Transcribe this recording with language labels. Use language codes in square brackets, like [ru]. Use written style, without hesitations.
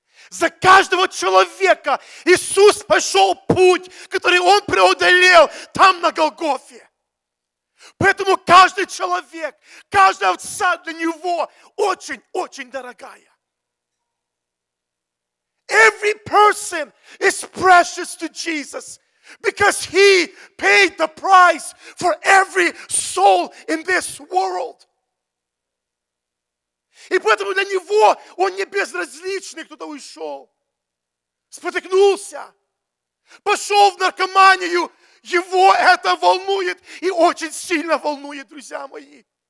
[ru] За каждого человека Иисус пошел путь, который Он преодолел там на Голгофе. Поэтому каждый человек, каждая овца для Него очень-очень дорогая. [en] Every person is precious to Jesus because He paid the price for every soul in this world. [ru] И поэтому для Него Он не безразличный, кто-то ушел, спотыкнулся, пошел в наркоманию. Его это волнует и очень сильно волнует, друзья мои.